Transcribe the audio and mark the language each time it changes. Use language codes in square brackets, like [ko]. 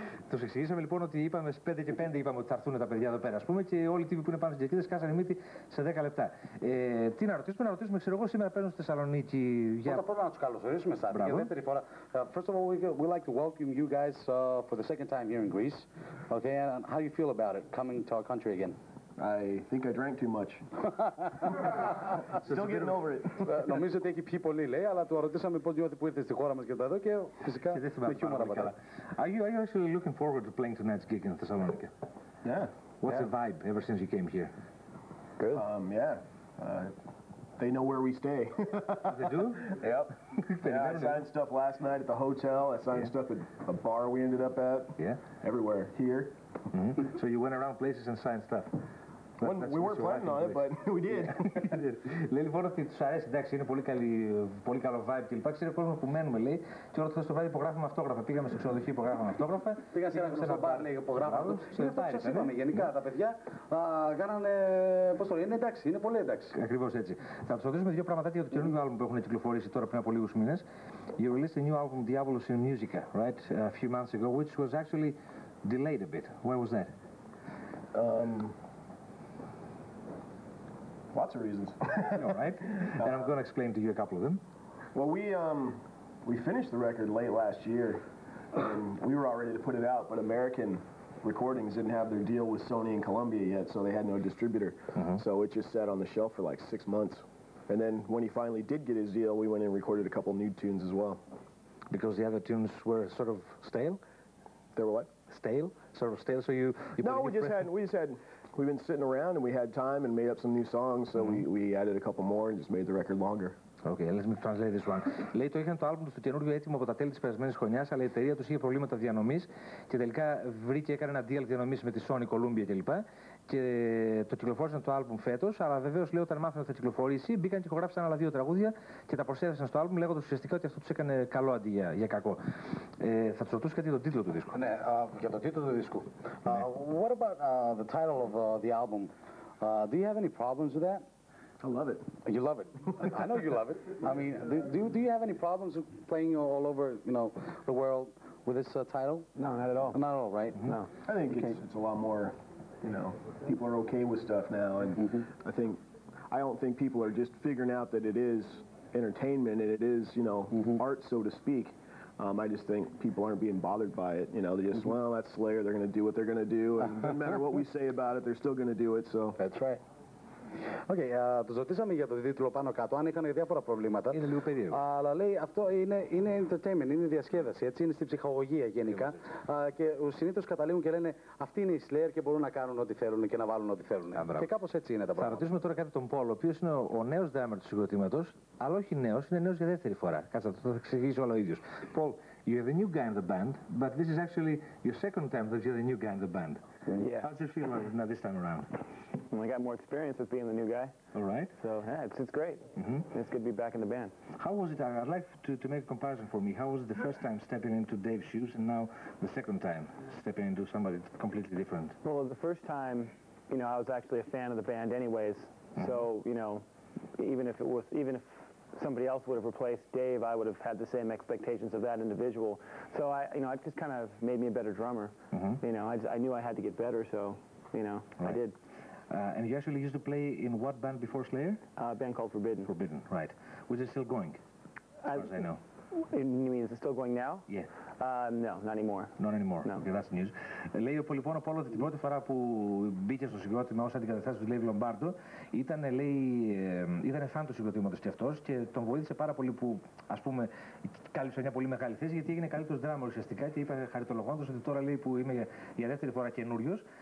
[el] Του εξηγήσαμε λοιπόν ότι είπαμε στι 5 και 5 είπαμε ότι θα έρθουν τα παιδιά εδώ πέρα. Α πούμε και όλοι οι τύποι που είναι πάνω στην κερκίδα σκάσανε μύτη σε 10 λεπτά. Τι να ρωτήσουμε, ξέρω εγώ σήμερα παίρνω στη Θεσσαλονίκη. Πρώτα να του καλωσορίσουμε σαν πρώτη φορά. [en] First of all, we'd like to welcome you guys for the second time here in Greece. Okay, and how do you feel about it coming to our country again? I think I drank too much. Still getting over it. [el] Νομίζω ότι έχει πει πολύ, λέει, αλλά του ρωτήσαμε πώς νιώθει που ήρθε στη χώρα μας και εδώ και φυσικά με χιούμορα πατά. [en] Are you actually looking forward to playing tonight's gig in Thessaloniki? Yeah. What's the vibe ever since you came here? Good. Yeah. They know where we stay. They do? Yep. Yeah, I signed stuff last night at the hotel. I signed stuff at a bar we ended up at. Yeah. Everywhere. Here. Mm-hmm. So you went around places and signed stuff. We weren't planning on it, but we did. [el] Λέει λοιπόν ότι τους αρέσει, εντάξει, είναι πολύ καλό vibe και λοιπά. Ξέρει ο κόσμος που μένουμε, λέει, και όλο το θες το βράδυ υπογράφουμε αυτόγραφα. Πήγαμε στο ξενοδοχείο, υπογράφουμε αυτόγραφα. Πήγα σε ένα γνωστό μπαρ, λέει, υπογράφουμε. Είναι αυτό που σας είπαμε, γενικά, τα παιδιά κάνανε, πώς το λέει, είναι εντάξει, είναι πολύ εντάξει. Ακριβώς έτσι. Θα τους ρωτήσουμε δύο πράγματα για το καινούργιο άλμπουμ που έχουν κυκλοφορήσει τώρα πριν από λίγους μήνες. [en] You released a new album, Diabolos in Musica, right, a few months ago, which was actually delayed a bit. Why was that? Lots of reasons. All right. And I'm going to explain to you a couple of them. Well, we finished the record late last year. And we were all ready to put it out, but American Recordings didn't have their deal with Sony and Columbia yet, so they had no distributor. Mm-hmm. So it just sat on the shelf for like 6 months. And then when he finally did get his deal, we went and recorded a couple new tunes as well. Because the other tunes were sort of stale? They were what? Stale? Sort of stale, so you No, we just had... We've been sitting around and we had time and made up some new songs, so we added a couple more and just made the record longer. Okay, let me translate this one. [el] Λέει, το είχαν το άλμπουμ του καινούργιο έτοιμο από τα τέλη της περασμένης χρονιάς, αλλά η εταιρεία τους είχε προβλήματα διανομής και τελικά βρήκε, έκανε ένα deal διανομής με τη Sony, Columbia κλπ. Και το κυκλοφόρησαν το άλμπουμ φέτος, αλλά βεβαίως λέει όταν μάθανε ότι θα κυκλοφορήσει, μπήκαν και ηχογράφησαν άλλα δύο τραγούδια και τα προσέθεσαν στο άλμπουμ, λέγοντας ουσιαστικά ότι αυτό τους έκανε καλό αντί για κακό. Θα τους ρωτούσα κάτι για τον τίτλο του δίσκου. Ναι, για τον τίτλο του δίσκου. [en] What about the title of the album? Do you have any problems with that? I love it. You love it. I know you love it. I mean, do you have any problems playing all over, you know, the world with this title? No, not at all. Not at all, right? No. I think it's a lot more, you know, people are okay with stuff now, and mm-hmm. I don't think people are just figuring out that it is entertainment and it is, you know, mm-hmm. art, so to speak. I just think people aren't being bothered by it. You know, they just, mm-hmm. well, that's Slayer. They're going to do what they're going to do, and no matter what we say about it, they're still going to do it. So that's right. [el] Okay, τους ρωτήσαμε για το τίτλο πάνω κάτω, αν είχαν διάφορα προβλήματα. Είναι λίγο περίεργο. Αλλά λέει, αυτό είναι entertainment, είναι διασκέδαση, έτσι, είναι στην ψυχαγωγία γενικά. Και συνήθως καταλήγουν και λένε, αυτοί είναι οι Slayer και μπορούν να κάνουν ό,τι θέλουν και να βάλουν ό,τι θέλουν. Και κάπως έτσι είναι τα πράγματα. Θα ρωτήσουμε τώρα κάτι τον Πολ, ο οποίος είναι ο νέος drummer του συγκροτήματος, αλλά όχι νέος, είναι νέος για δεύτερη φορά. Κάτσε, θα το εξηγήσω όλο ο ίδιος. [en] Πολ, you're the new guy in the band, but this is actually your second time that you're the new guy in the band. Yeah. How's it feel like this time around? I got more experience with being the new guy. All right. So, yeah, it's great. Mm-hmm. It's good to be back in the band. How was it? I'd like to make a comparison for me. How was it the first time stepping into Dave's shoes and now the second time stepping into somebody completely different? Well, the first time, you know, I was actually a fan of the band anyways. Mm-hmm. So, you know, even if somebody else would have replaced Dave, I would have had the same expectations of that individual. So, it just kind of made me a better drummer. Mm-hmm. You know, I knew I had to get better, so, you know, right. I did. And you actually used to play in what band before Slayer? A band called Forbidden. Forbidden, right. Which is still going, as far as I know. You mean, is it still going now? Yeah. No, not anymore. Not anymore. No. Okay, that's news. [el] Λέει ο Πολυπόνο Πόλο ότι την πρώτη φορά που μπήκε στο συγκρότημα ως αντικαταστάτης του Λέβι Λομπάρντο ήταν φαν του συγκροτήματος και αυτός και τον βοήθησε πάρα πολύ που, ας πούμε, κάλυψε μια πολύ μεγάλη θέση γιατί έγινε καλύτερος drummer ουσιαστικά και είπε χαριτολογώντας ότι τώρα λέει που είμαι για δεύτερη φορά καινούριος.